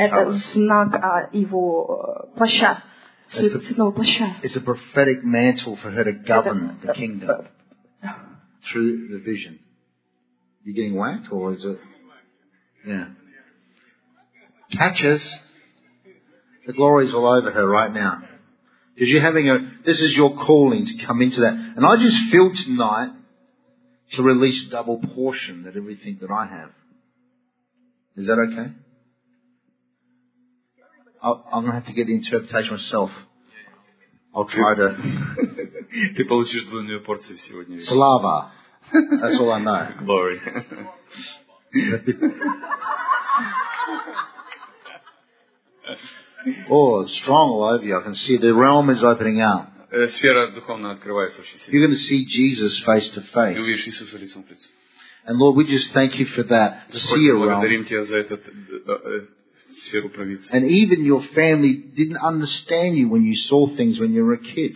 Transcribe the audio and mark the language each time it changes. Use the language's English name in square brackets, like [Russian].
[Russian] Это знак его плаща, цветного плаща. [English] It's a prophetic mantle for her to govern the kingdom through the vision. You getting whacked or is it? Yeah. Catches. The glory is all over her right now. Because you're having a, this is your calling to come into that. And I just feel tonight to release double portion that everything that I have. Is that okay? I'm going to have to get the interpretation myself. I'll try to. [Russian] Ты получишь двойную порцию сегодня. [English] Слава. That's all I know. Glory. Oh, strong all over you. I can see the realm is opening up. [Russian] Сфера духовная открывается вообще. [English] You're going to see Jesus face to face. [Russian] Ты увидишь Иисуса лицом к лицу. [English] And Lord, we just thank you for that. To see a realm. [Russian] Благодарим тебя за этот сферу провидца. [English] And even your family didn't understand you when you saw things when you were a kid.